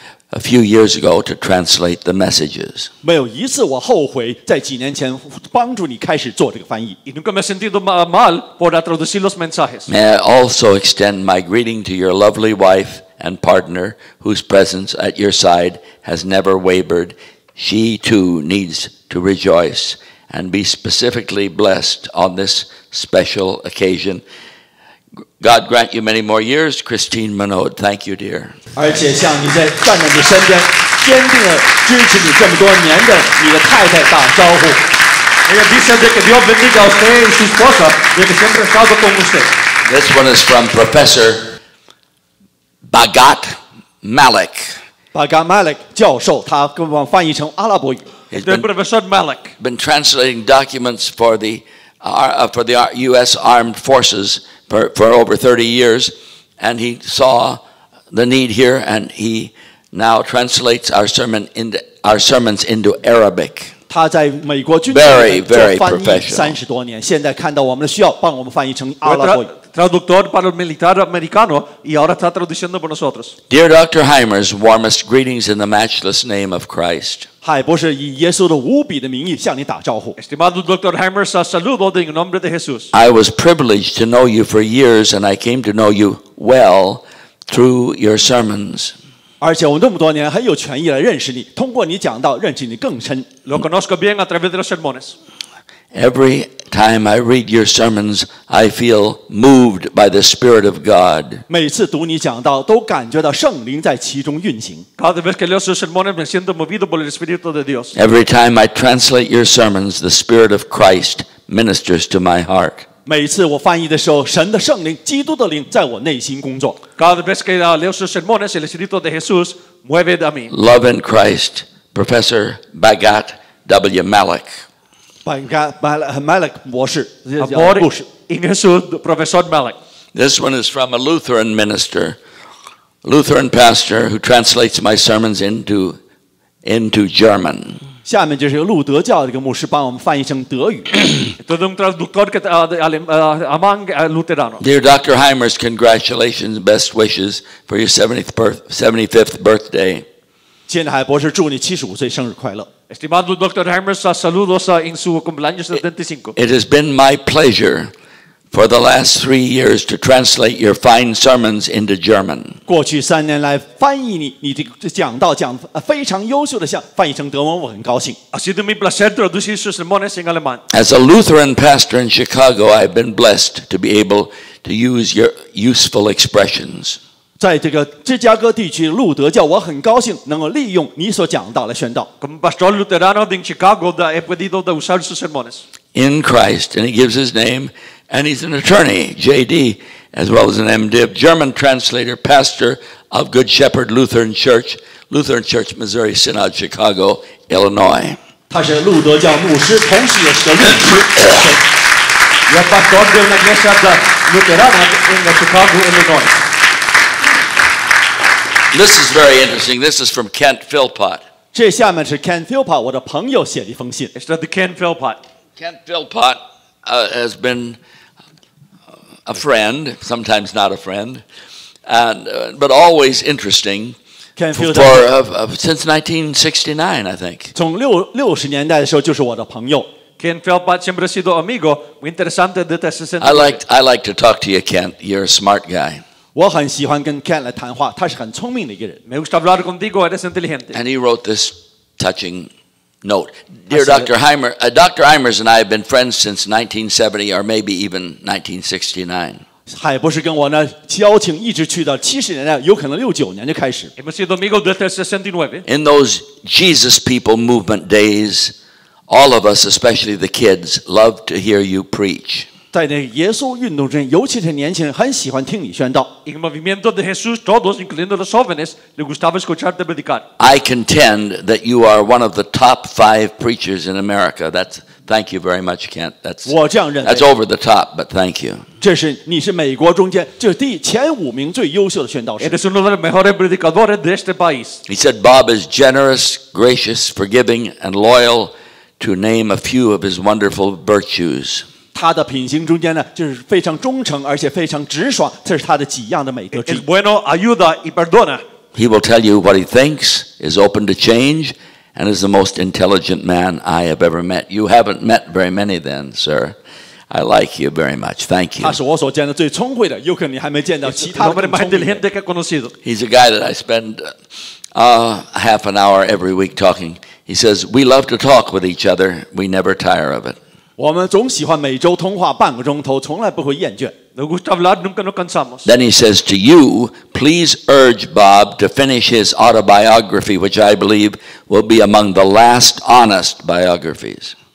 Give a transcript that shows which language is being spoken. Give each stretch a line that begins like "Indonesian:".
English: A few years ago, to translate the messages.
Chinese: 没有一次我后悔在几年前帮助你开始做这个翻译。
Spanish: Y nunca me he sentido mal por traducir los mensajes.
English: May I also extend my greeting to your lovely wife and partner, whose presence at your side has never wavered. She too needs to rejoice and be specifically blessed on this special occasion. God grant you many more years, Christine Manaud. Thank you, dear.
Chinese: 而且像你在站在你身边，坚定的支持你这么多年的你的太太打招呼。
Spanish: Ella dice que Dios bendiga a usted y su esposa, y que siempre ha estado con usted.
English: This one is from Professor Bagat Malik.
Chinese: Bagat Malik 教授，他给我们翻译成阿拉伯语。
English: Professor Malik been translating documents for the U.S. Armed Forces for over 30 years, and he saw the need here, and he now translates our sermons into Arabic.
Chinese: 他在美国军队做翻译三十多年，现在看到我们的需要，帮我们翻译成阿拉伯语。
Spanish: Traductor para el militar americano y ahora está traduciendo para nosotros.
English: Dear Dr. Hymers, warmest greetings in the matchless name of Christ.
Chinese: 海博士以耶稣的无比的名义向你打招呼。
Spanish: Estimado Dr. Hymers, saludo en nombre de Jesús.
English: I was privileged to know you for years and I came to know you well through your sermons.
Chinese: 而且我这么多年还有权益来认识你，通过你讲道认识你更深。
Spanish: Lo conozco bien a través de los sermones.
English: Everytime I read your sermons, I feel moved by the Spirit of God.
Chinese: 每次读你讲道，都感觉到圣灵在其中运行。
Spanish: Cada vez que leo sus sermones, me siento movido por el Espíritu de Dios.
English: Every time I translate your sermons, the Spirit of Christ ministers to my heart.
Chinese: 每次我翻译的时候，神的圣灵，基督的灵在我内心工作。
Spanish: Cada vez que leo sus sermones, el Espíritu de Jesús mueve a mí.
English: Love in Christ, Professor Bagat W. Malik.
Chinese: Malik 博士
English: in Jesus, Professor Malik. This one is from a Lutheran minister, Lutheran pastor who translates my sermons into German.
Chinese: 下面就是路德教的一个牧师帮我们翻译成德语。
English: Dear Dr. Hymers, congratulations, best wishes for your 75th birthday.
Chinese: 亲海博士，祝你75岁生日快乐。
Spanish: Estimado Dr. Hymers, saludos en su cumpleaños 75.
English: It has been my pleasure for the last 3 years to translate your fine sermons into German.
Chinese: 过去三年来翻译你的讲道讲非常优秀的像翻译成德文，我很高兴。
Spanish: Ha sido mi placer traducir sus sermones en alemán.
English: As a Lutheran pastor in Chicago, I've been blessed to be able to use your useful expressions.
Chinese: 在这个芝加哥地区路德教，我很高兴能够利用你所讲道来宣道。
Spanish: Como pastor luterano en Chicago, he podido usar sus sermones.
English: In Christ, and he gives his name, and he's an attorney, J.D., as well as an M.Div., German translator, pastor of Good Shepherd Lutheran Church, Missouri Synod, Chicago, Illinois.
Chinese: 他是路德教牧师，同时也是律师。
Spanish: Yo pastor de una iglesia luterana en Chicago, Illinois.
English: This is very interesting. This is from Kent Philpott.
Chinese: 这下面是 Kent Philpott, 我的朋友写的一封信。
English: It's from Kent Philpott. Kent Philpott has been a friend, sometimes not a friend, but always interesting. Kent Philpott. Since 1969, I think.
Chinese: 从60年代的时候就是我的朋友。
Spanish: Kent Philpott siempre ha sido amigo. Muy interesante de este sentido.
English: I like to talk to you, Kent. You're a smart guy.
Chinese: 我很喜欢跟 Ken 来谈话，他是很聪明的一个人。
Spanish: Me gusta hablar contigo, eres inteligente.
English: And he wrote this touching note. Dear Dr. Hymer, Dr. Hymers and I have been friends since 1970 or maybe even 1969.
Chinese: 海博士跟我呢交情一直去到70年代，有可能69年就开始。
Spanish: Hemos sido amigos desde 69.
English: In those Jesus People movement days, all of us, especially the kids, loved to hear you preach.
Chinese: 在那耶稣运动中，尤其是年轻人，很喜欢听你宣道。
Spanish: En el movimiento de Jesús, todos, incluyendo los jóvenes, les gustaba escucharte predicar.
English: I contend that you are one of the top five preachers in America. That's thank you very much, Kent. That's
Chinese: 我这样认为。
English: That's over the top, but thank you.
Chinese: 这是你是美国中间这第前五名最优秀的宣道士。
Spanish: Eres uno de los mejores predicadores de este país.
English: He said Bob is generous, gracious, forgiving, and loyal, to name a few of his wonderful virtues.
Chinese: 他的品行中间呢，就是非常忠诚，而且非常直爽，这是他的几样的美德之一。
Spanish: Es bueno, ayuda y perdona.
English: He will tell you what he thinks, is open to change, and is the most intelligent man I have ever met. You haven't met very many then, sir. I like you very much. Thank you.
Chinese: 他是我所见的最聪慧的，有可能你还没见到其他的更聪明的。
English: He's a guy that I spend half an hour every week talking. He says, we love to talk with each other. We never tire of it.
Chinese: 我们总喜欢每周通话半个钟头，从来不会厌倦。
English: Then he says to you, please urge Bob to finish his autobiography, which I believe will be among the last honest biographies.